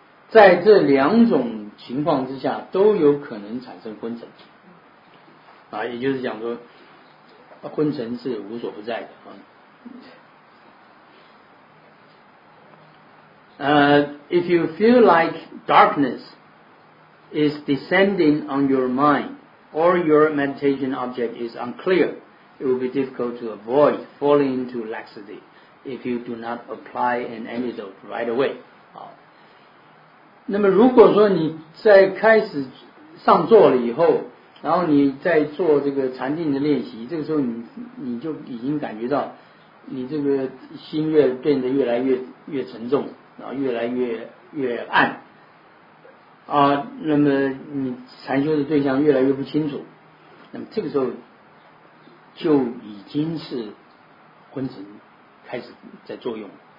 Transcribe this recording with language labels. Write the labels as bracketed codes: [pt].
[zh] 在这两种情况之下都有可能产生昏沉啊，也就是讲说昏沉是无所不在的啊。 [en] If you feel like darkness is descending on your mind, or your meditation object is unclear, it will be difficult to avoid falling into laxity if you do not apply an antidote right away. [zh] 好，那么如果说你在开始上座了以后，然后你在做这个禅定的练习，这个时候你就已经感觉到你这个心越变得越来越沉重，然后越来越暗啊，那么你禅修的对象越来越不清楚，那么这个时候就已经是昏沉开始在作用。